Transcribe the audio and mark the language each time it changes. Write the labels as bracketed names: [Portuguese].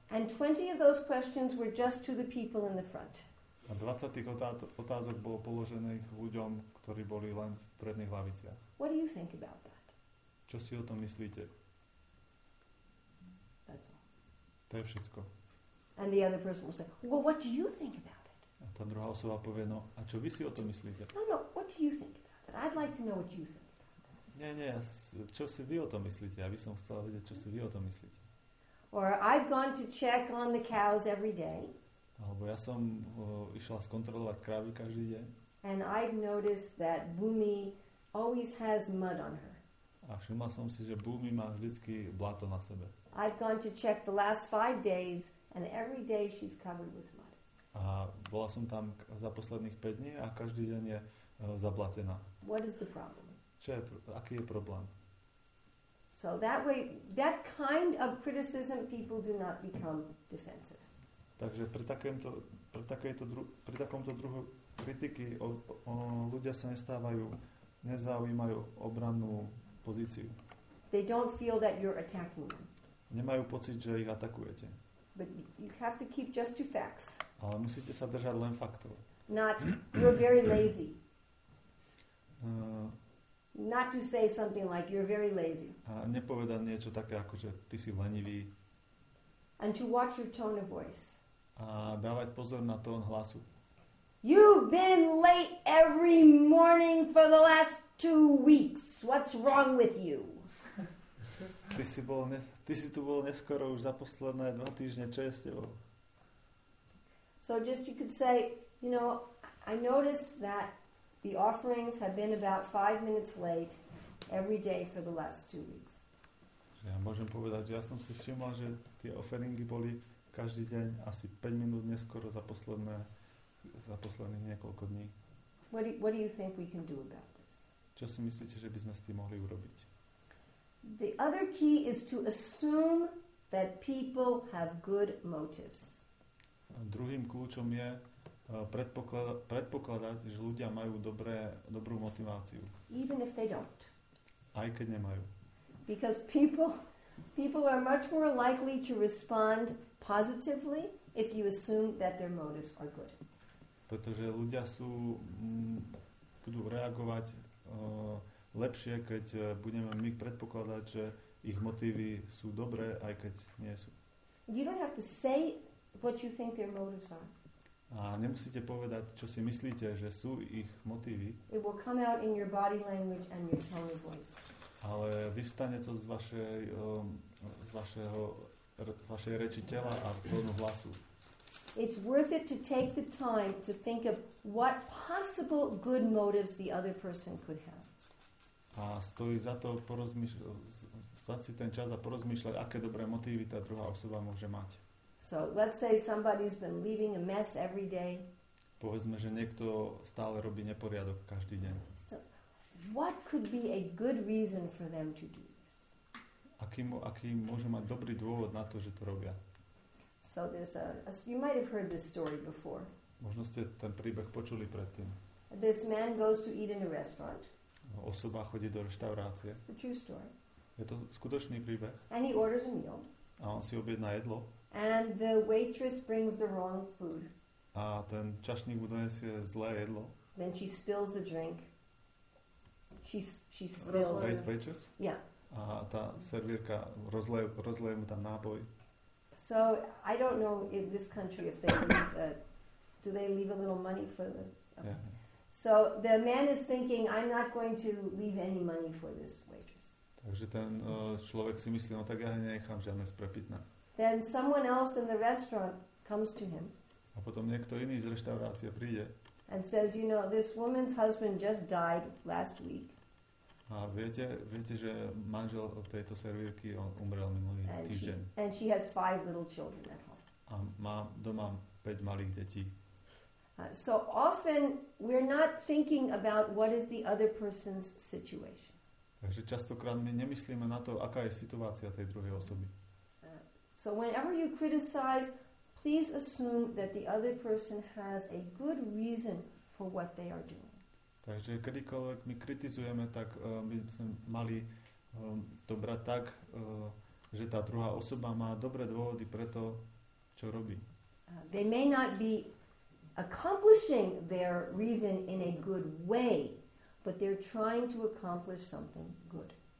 [English] And 20 of those questions were just to the people in the front. [Slovak] A 20 tých otázok bolo položených ľuďom, ktorí boli len v predných laviciach. [English] What do you think about that? [Slovak] Čo si o tom myslíte? [English] That's all. [Slovak] To je všetko. [English] And the other person will say, well, what do you think about? [Slovak] A tá druhá osoba povie, no, a čo vy si o tom myslíte? [English] No, no, what do you think about that? I'd like to know what you think about that. [Slovak] Nie, nie, čo si vy o tom myslíte? Ja by som chcela vedieť, čo si vy o tom myslíte. [English] Or I've gone to check on the cows every day. [Slovak] Alebo ja som išla skontrolovať krávy každý deň. [English] And I've noticed that Bumi always has mud on her. [Slovak] A všimla som si, že Bumi má vždycky blato na sebe. [English] I've gone to check the last 5 days and every day she's covered with mud. [Slovak] A bola som tam za posledných 5 dní a každý deň je zablatená. [English] What is the problem? [Slovak] Aký je problém? [English] So that way, that kind of criticism people do not become defensive. [Slovak] Takže pri takomto druhu kritiky ľudia sa nezaujímajú obrannú pozíciu. [English] They don't feel that you're attacking them. [Slovak] Nemajú pocit, že ich atakujete. [English] But you have to keep just to facts. [Slovak] Ale musíte sa držať len faktov. [English] Not, you're very lazy. Not to say something like, you're very lazy. [Slovak] A nepovedať niečo také ako, že ty si lenivý. [English] And to watch your tone of voice. [Slovak] A dávať pozor na tón hlasu. [English] You've been late every morning for the last 2 weeks. What's wrong with you? [Slovak] ty si tu bol neskoro už za posledné 2 týždne. Čo je s tebou? [English] So just you could say, you know, I noticed that the offerings have been about 5 minutes late every day for the last 2 weeks. [Slovak] Ja môžem povedať, že ja som si všimol, že tie offeringy boli každý deň asi 5 minút neskoro za posledných niekoľko dní. [English] What do you think we can do about this? [Slovak] Čo si myslíte, že by sme s tým mohli urobiť? [English] The other key is to assume that people have good motives. [Slovak] Druhým kľúčom je predpokladať, že ľudia majú dobrú motiváciu. [English] Even if they don't. [Slovak] Aj keď nemajú. [English] Because people are much more likely to respond positively if you assume that their motives are good. [Slovak] Pretože ľudia sú budú reagovať lepšie, keď budeme my predpokladať, že ich motívy sú dobré, aj keď nie sú. [English] You don't have to say what you think their motives are. [Slovak] A nemusíte povedať, čo si myslíte, že sú ich motívy. [English] It will come out in your body language and your tone of voice. [Slovak] Ale vyvstane to z vašej reči tela a tónu hlasu. [English] It's worth it to take the time to think of what possible good motives the other person could have. [Slovak] A stojí za to vzať si ten čas a porozmýšľať, aké dobré motívy tá druhá osoba môže mať. [English] So let's say somebody's been leaving a mess every day. [Slovak] Povedzme, že niekto stále robí neporiadok každý deň. [English] So what could be a good reason for them to do this? [Slovak] Aký môže mať dobrý dôvod na to, že to robia? [English] So there's a you might have heard this story before. [Slovak] Možno ste ten príbeh počuli predtým. [English] This man goes to eat in a restaurant. [Slovak] Osoba chodí do reštaurácie. [English] It's a true story. [Slovak] Je to skutočný príbeh. [English] And he orders a meal. [Slovak] A on si objedná jedlo. [English] And the waitress brings the wrong food. [Slovak] A ten čašník mu donesie zlé jedlo. [English] Then she spills the drink. She spills. Waitress? Yeah. [Slovak] A tá servírka rozleje mu tam náboj. [English] So I don't know in this country if they leave do they leave a little money for the okay. Yeah. So the man is thinking I'm not going to leave any money for this waitress. [Slovak] Takže ten človek si myslí, no tak ja nechám žiadne sprepitné. [English] Then someone else in the restaurant comes to him. [Slovak] A potom niekto iný z reštaurácie príde. [English] And says, you know, this woman's husband just died last week. [Slovak] A viete, že manžel tejto servírky umrel minulý týždeň. [English] And she has five little children at home. [Slovak] A má doma 5 malých detí. [English] So often we're not thinking about what is the other person's situation. [Slovak] Takže častokrát my nemyslíme na to, aká je situácia tej druhej osoby. [English] So whenever you criticize, please assume that the other person has a good reason for what they are doing. [Slovak] Takže kedykoľvek my kritizujeme, tak by sme mali to brať tak, že tá druhá osoba má dobré dôvody pre to, čo robí. [English] They may not be accomplishing their reason in a good way, but they're trying to accomplish something good.